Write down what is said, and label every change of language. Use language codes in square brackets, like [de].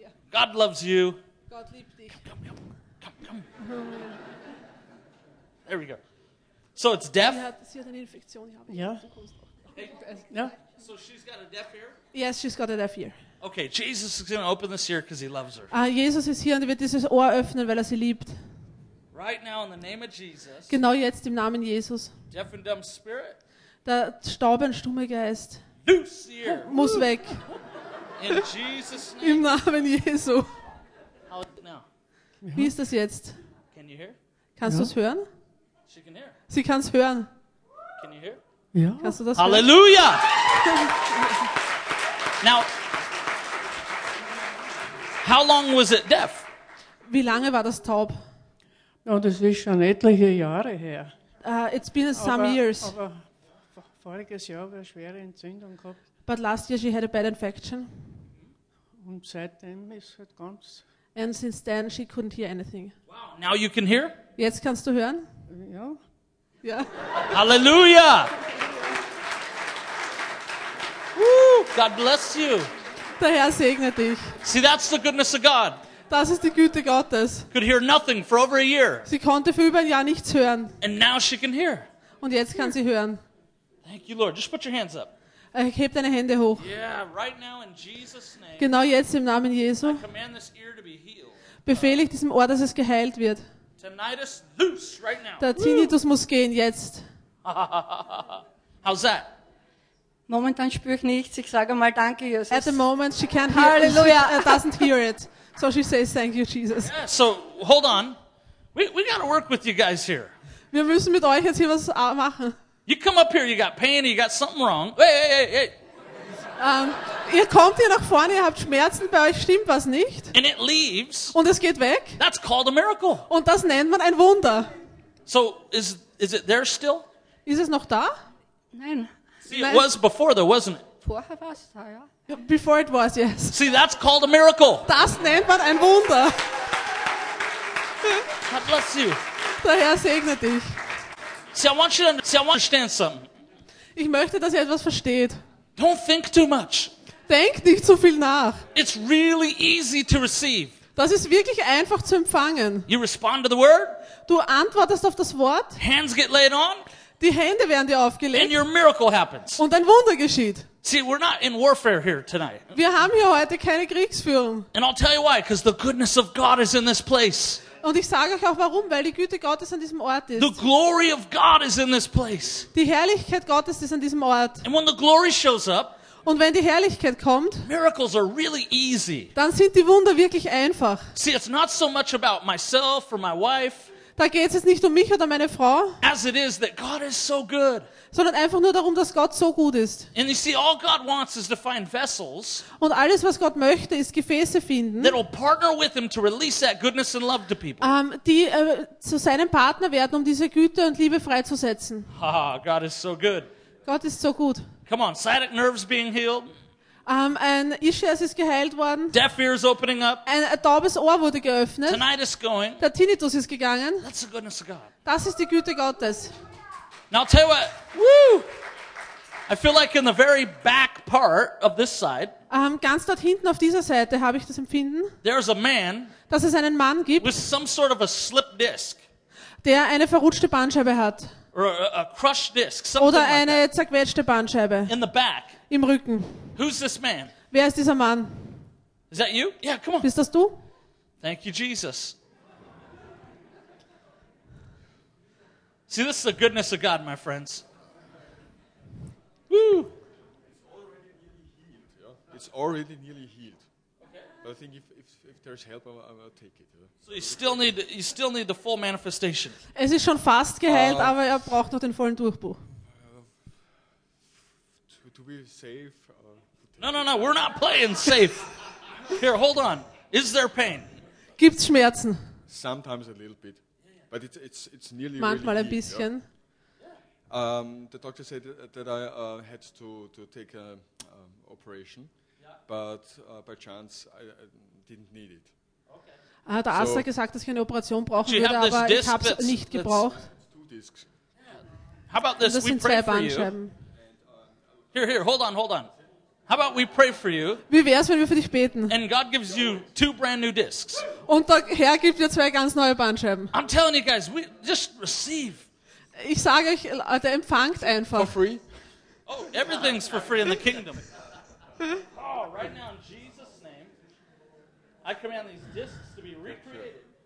[en] God loves you. [de] God liebt dich. [en] Come. There we go. So it's deaf? Yeah. So she's got a deaf ear? Yes, she's got a deaf ear. Okay, Jesus is going to open this ear because he loves her. [de] Jesus ist hier und wird dieses Ohr öffnen, weil er sie liebt. [en] Right now in the name of Jesus. [de] Genau jetzt im Namen Jesus. [en] Deaf and dumb spirit. [de] Der staub und stumme Geist. [en] Loose ear. [de] Muss weg. [en] In Jesus' name. [de] Im Namen Jesu. [en] How is it now? [de] Wie ist das jetzt? [en] Can you hear? [de] Kannst du es hören? [en] She can hear. [de] Sie kann es hören. [en] Can you hear? [de] Ja. Kannst du das Halleluja! Hören? [en] Now, how long was it deaf? [de] Wie lange war das taub? Ja, das ist schon etliche Jahre her. [en] It's been some years. [de] Aber voriges Jahr habe ich eine schwere Entzündung gehabt. [en] But last year she had a bad infection. [de] Und seitdem ist halt ganz. [en] And since then she couldn't hear anything. Wow, now you can hear? [de] Jetzt kannst du hören. Ja. [en] Yeah. Hallelujah. Woo, God bless you. [de] Der Herr segne dich. [en] See, that's the goodness of God. [de] Das ist die Güte Gottes. [en] Could hear nothing for over a year. [de] Sie konnte für über ein Jahr nichts hören. [en] And now she can hear. [de] Und jetzt kann sie hören. [en] Thank you, Lord. Just put your hands up. [de] Heb deine Hände hoch. [en] Yeah, right now in Jesus' name. [de] Genau jetzt im Namen Jesu. [en] I command this ear to be healed. [de] Befehle ich diesem Ohr, dass es geheilt wird. [en] Tinnitus loose right now. [de] Der Tinnitus muss gehen jetzt. [en] How's that? [de] Momentan spüre ich nichts. Ich sage mal danke, Jesus. [en] At the moment she can't hear. Hallelujah. Doesn't hear it. So she says thank you, Jesus. Yeah, so hold on. We got to work with you guys here. [de] Wir müssen mit euch jetzt hier was machen. [en] You come up here. You got pain. You got something wrong. Hey. [de] Ihr kommt hier nach vorne, ihr habt Schmerzen, bei euch stimmt was nicht. [en] And it leaves. [de] Und es geht weg. [en] That's called a miracle. [de] Und das nennt man ein Wunder. [en] So, is it there still? [de] Ist es noch da? Nein. [en] See, it was before though, wasn't it? [de] Vorher war es da, ja. [en] Before it was, yes. See, that's called a miracle. [de] Das nennt man ein Wunder. [en] God bless you. [de] Der Herr segne dich. [en] See, I want you to understand something. [de] Ich möchte, dass ihr etwas versteht. [en] Don't think too much. [de] Denk nicht so viel nach. [en] It's really easy to receive. [de] Das ist wirklich einfach zu empfangen. [en] You respond to the word. [de] Du antwortest auf das Wort. [en] Hands get laid on. [de] Die Hände werden dir aufgelegt. [en] And your miracle happens. [de] Und ein Wunder geschieht. [en] See, we're not in warfare here tonight. [de] Wir haben hier heute keine Kriegsführung. [en] And I'll tell you why, because the goodness of God is in this place. [de] Und ich sage euch auch warum, weil die Güte Gottes an diesem Ort ist. [en] The glory of God is in this place. [de] Die Herrlichkeit Gottes ist an diesem Ort. [en] And when the glory shows up, [de] und wenn die Herrlichkeit kommt, [en] miracles are really easy. [de] Dann sind die Wunder wirklich einfach. [en] See, it's not so much about myself or my wife. [de] Da geht es jetzt nicht um mich oder meine Frau, [en] as it is that God is so good. [de] Sondern einfach nur darum, dass Gott so gut ist. [en] And you see, all God wants is to find vessels. [de] Und alles, was Gott möchte, ist Gefäße finden. [en] That will partner with him to release that goodness and love to people. [de] Die zu seinem Partner werden, um diese Güte und Liebe freizusetzen. [en] Haha, God is so good. [de] Gott ist so gut. [en] Come on, sciatic nerves being healed. [de] Ein Ischias ist geheilt worden. [en] Deaf ears opening up. [de] Ein taubes Ohr wurde geöffnet. [en] Tinnitus going. [de] Der Tinnitus ist gegangen. [en] That's the goodness of God. [de] Das ist die Güte Gottes. [en] Now I'll tell you what. Woo! I feel like in the very back part of this side. [de] Ganz dort hinten auf dieser Seite habe ich das Empfinden. [en] There's a man. [de] Dass es einen Mann gibt. [en] With some sort of a slip disc. [de] Der eine verrutschte Bandscheibe hat. [en] Or a crushed disc. [de] Oder eine [en] like that. [de] Zerquetschte Bandscheibe. [en] In the back. [de] Im Rücken. [en] Who's this man? [de] Wer ist dieser Mann? [en] Is that you? Yeah, come on. [de] Bist das du? [en] Thank you, Jesus. See, this is the goodness of God, my friends. Woo! It's already nearly healed. Okay. But I think if there's help, I'll take it. So you still need the full manifestation. [de] Es ist schon fast geheilt, aber er braucht noch den vollen Durchbruch. [en] To be safe. No, we're not playing safe. Here, hold on. Is there pain? [de] Gibt's Schmerzen? [en] Sometimes a little bit. But it's nearly [de] manchmal [en] really [de] ein bisschen. [en] Healed, The doctor said that I had to take an operation, but by chance I didn't need it. Okay. [de] Der Arzt hat gesagt, dass ich eine Operation brauchen würde, aber ich habe es nicht gebraucht. [en] How about this? [de] Das sind zwei Bandscheiben. [en] Here, hold on. How about we pray for you? [de] Wie wär's, wenn wir für dich beten? [en] And God gives you two brand new discs. [de] Und der Herr gibt dir zwei ganz neue Bandscheiben. [en] I'm telling you guys, we just receive. [de] Ich sage euch, der empfangt einfach. [en] For free? Oh, everything's for free in the kingdom. Oh, right now in Jesus' name, I command these discs to be recreated.